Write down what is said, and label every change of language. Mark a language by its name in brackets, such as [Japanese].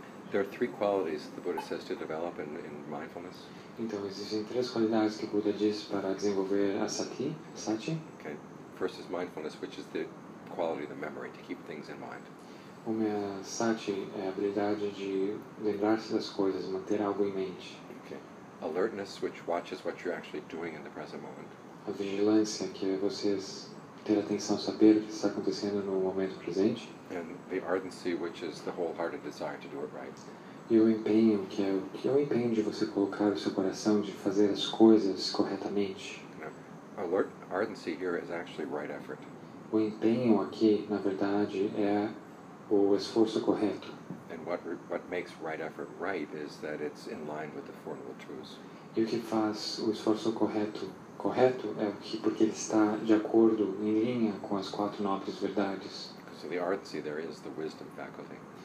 [English] There are three qualities the Buddha says to develop in mindfulness. [Portuguese] Então existem três qualidades que o Buda diz para desenvolver a sati, [English] Okay. First is mindfulness, which is the quality of the memory, to keep things in mind. [Portuguese] Uma sati é a habilidade de lembrar-se das coisas, manter algo em mente. [English] Okay. Alertness, which watches what you're actually doing in the present moment. [Portuguese] A vigilância, que é vocês ter atenção, saber o que está acontecendo no momento presente. [English] And the ardency, which is the wholehearted desire to do it right. [Portuguese] E o empenho, que é o empenho de você colocar o seu coração, de fazer as coisas corretamente. [English] Alert, ardency here is actually right effort. [Portuguese] O empenho aqui, na verdade, é o esforço correto. [English] And what makes right effort right is that it's in line with the Four Noble Truths. [Portuguese] E o que faz o esforço correto é porque ele está de acordo, em linha com as quatro nobres verdades. [English] So the ardency there is the wisdom faculty.